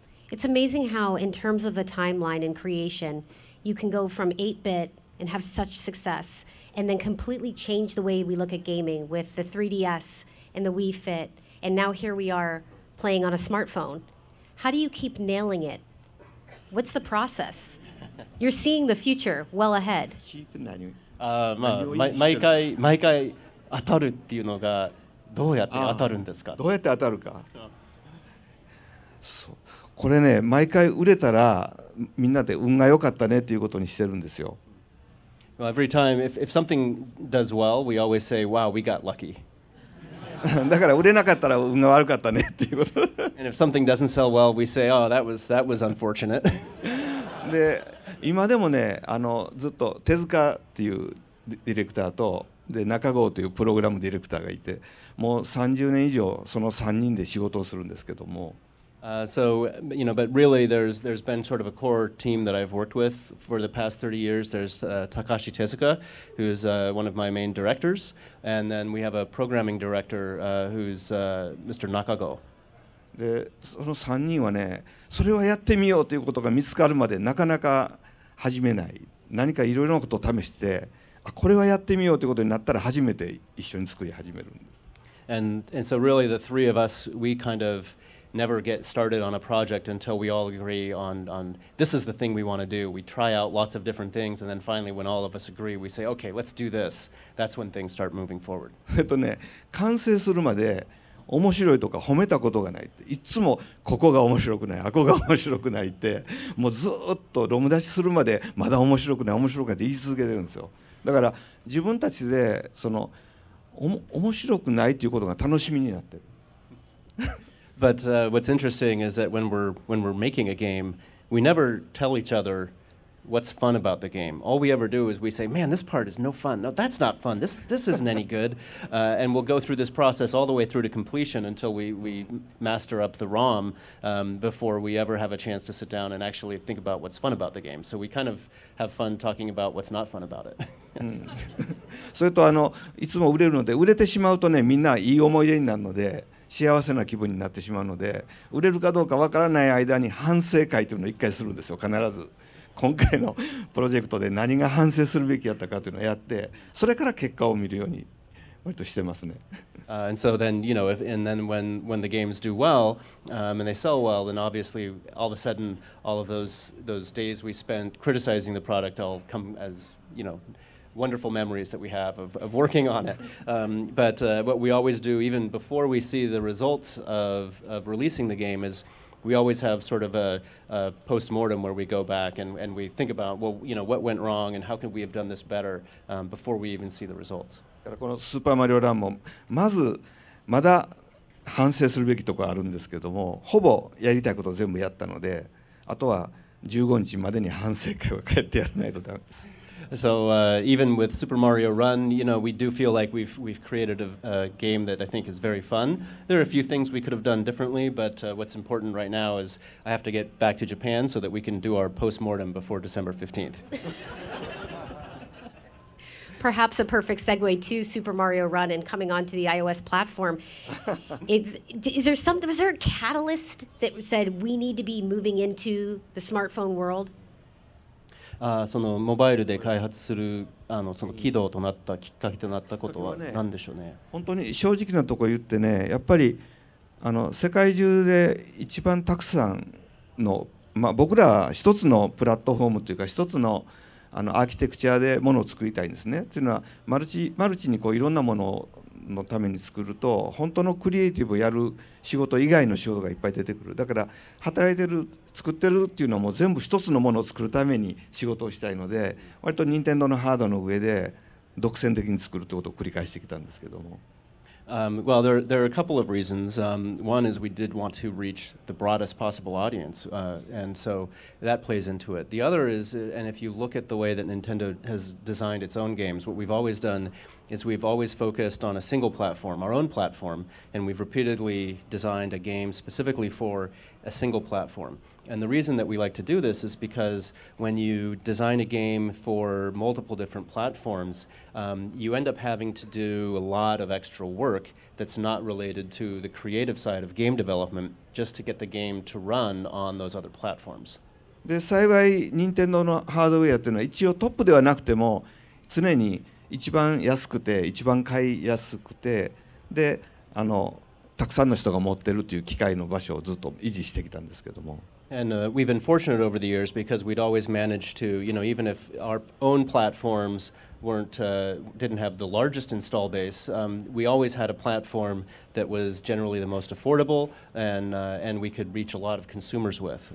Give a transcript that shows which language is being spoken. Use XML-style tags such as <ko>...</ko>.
<en>It's amazing how, in terms of the timeline and creation, you can go from 8-bit and have such success, and then completely change the way we look at gaming with the 3DS and the Wii Fit, and now here we are playing on a smartphone. How do you keep nailing it? What's the process? You're seeing the future well ahead. Keep nailing it.</en> <ja>まあ、毎回当たるっていうのがどうやって当たるんですか。どうやって当たるか。そう、これね、毎回売れたらみんなで運が良かったねっていうことにしてるんですよ。</ja> <en>Well, every time if something does well, we always say, "Wow, we got lucky."</en> <ja>だから売れなかったら運が悪かったねっていうこと。</ja> <en>And if something doesn't sell well, we say, "Oh, that was unfortunate."</en> <ja>で。今でもね、あの、ずっと手塚っていうディレクターと、で、中郷というプログラムディレクターがいて、もう30年以上その3人で仕事をするんですけども。</ja> <en>So, you know, but really there's been sort of a core team that I've worked with for the past 30 years. There's Takashi Tezuka, who's one of my main directors. And then we have a programming director, who's Mr. Nakago.</en> <ja>でその3人はね、それはやってみようということが見つかるまでなかなか始めない、何かいろいろなことを試して、あ、これはやってみようということになったら初めて一緒に作り始めるんです。</ja> <en>And so really the three of us, we kind of never get started on a project until we all agree on this is the thing we want to do. We try out lots of different things, and then finally when all of us agree, we say, okay, let's do this. That's when things start moving forward.</en> <ja>完成するまで面白いとか褒めたことがないって、いつもここが面白くない、あこが面白くないって、もうずっとロム出しするまでまだ面白くない面白くないって言い続けてるんですよ。だから自分たちでその面白くないということが楽しみになってる。</ja> <en>But、what's interesting is that when we're making a game, we never tell each other what's fun about the game. All we ever do is we say, man, this part is no fun. No, that's not fun. This isn't any good. And we'll go through this process all the way through to completion until we master up the ROM before we ever have a chance to sit down and actually think about what's fun about the game. So we kind of have fun talking about what's not fun about it.</en> <ja>それとあのいつも売れるので売れてしまうとねみんないい思い出になるので幸せな気分になってしまうので売れるかどうかわからない間に反省会というのを一回するんですよ必ず今回のプロジェクトで何が反省するべきだったかというのをやってそれから結果を見るように割としてますね。</ja> <en>And so then, you know, when the games do well, and they sell well, then obviously all of a sudden all of those days we spent criticizing the product all come as, you know, wonderful memories that we have of working on it. But what we always do, even before we see the results of releasing the game, is we always have sort of a post-mortem where we go back and we think about, well, you know, what went wrong and how could we have done this better before we even see the results.</en> <ja>だからこのスーパーマリオランもまずまだ反省するべきところあるんですけどもほぼやりたいこと全部やったのであとは15日までに反省会を帰ってやらないとダメです。</ja> <en>So, even with Super Mario Run, you know, we do feel like we've created a game that I think is very fun. There are a few things we could have done differently, but what's important right now is I have to get back to Japan so that we can do our post-mortem before December 15th. Perhaps a perfect segue to Super Mario Run and coming onto the iOS platform. Was there a catalyst that said we need to be moving into the smartphone world?</en> <ja>そのモバイルで開発するあのその起動となったきっかけとなったことは何でしょうね。本当に正直なところ言ってね、やっぱりあの世界中で一番たくさんの、まあ、僕らは一つのプラットフォームというか一つのあのアーキテクチャでものを作りたいんですね。というのはマルチにこういろんなもののために作ると本当のクリエイティブをやる仕事以外の仕事がいっぱい出てくる。だから働いてる作ってるっていうのはもう全部一つのものを作るために仕事をしたいので割と任天堂のハードの上で独占的に作るということを繰り返してきたんですけども。</ja> <en>Well, there are a couple of reasons. One is we did want to reach the broadest possible audience, and so that plays into it. The other is, and if you look at the way that Nintendo has designed its own games, what we've always done is we've always focused on a single platform, our own platform, and we've repeatedly designed a game specifically for a single platform. And the reason that we like to do this is because when you design a game for multiple different platforms, you end up having to do a lot of extra work that's not related to the creative side of game development just to get the game to run on those other platforms.</en> <ja>で、幸い、任天堂のハードウェアというのは一応トップではなくても常に一番安くて一番買いやすくてで、あのたくさんの人が持ってるという機械の場所をずっと維持してきたんですけども。</ja> <en>And we've been fortunate over the years because we'd always managed to, you know, even if our own platforms didn't have the largest install base, we always had a platform that was generally the most affordable and we could reach a lot of consumers with.</en>